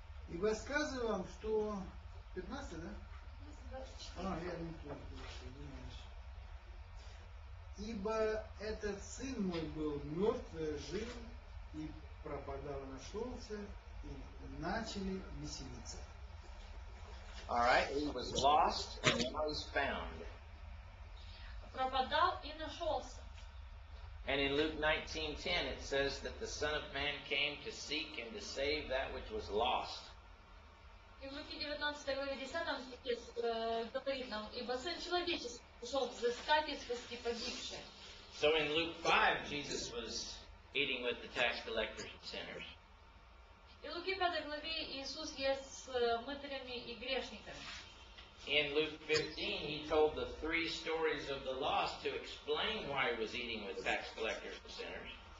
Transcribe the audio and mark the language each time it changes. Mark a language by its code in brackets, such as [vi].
[ru] И рассказываю вам, что 15, да? 24. А, я не помню, извиняюсь. Ибо этот сын мой был мертв, жив и пропадал, нашелся, и начали веселиться. [en] All right, he was lost and was found. [ru] Пропадал и нашелся. [en] And in Luke 19:10 it says that the Son of Man came to seek and to save that which was lost. [ru] И в Луки 19:10 говорит нам, ибо Сын Человеческий пришел взыскать и спасти погибшее. [en] So in Luke 5 Jesus was eating with the tax collectors and sinners. [ru] И в Луки 5 главе Иисус ест с мытарями и грешниками. [en] In Luke 15, he told the three stories of the lost to explain why he was eating with tax collectors and sinners.